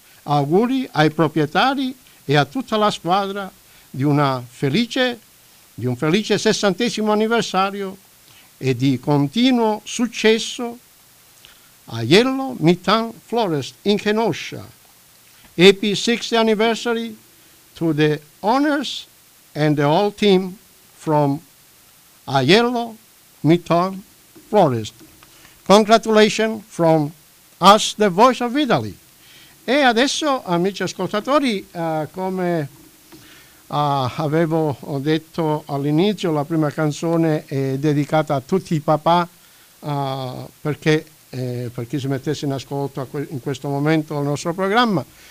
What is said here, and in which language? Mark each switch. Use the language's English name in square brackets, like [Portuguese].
[Italian] Auguri ai proprietari e a tutta la squadra di una felice, di un felice 60° anniversario e di continuo successo a Aiello Midtown Florist in Kenosha. [English] Happy 60th anniversary to the owners and the whole team from Aiello Midtown Florist. Congratulations from us, the Voice of Italy. [Italian] E adesso, amici ascoltatori, come avevo detto all'inizio, la prima canzone è dedicata a tutti i papà, perché per chi si mettesse in ascolto in questo momento il nostro programma,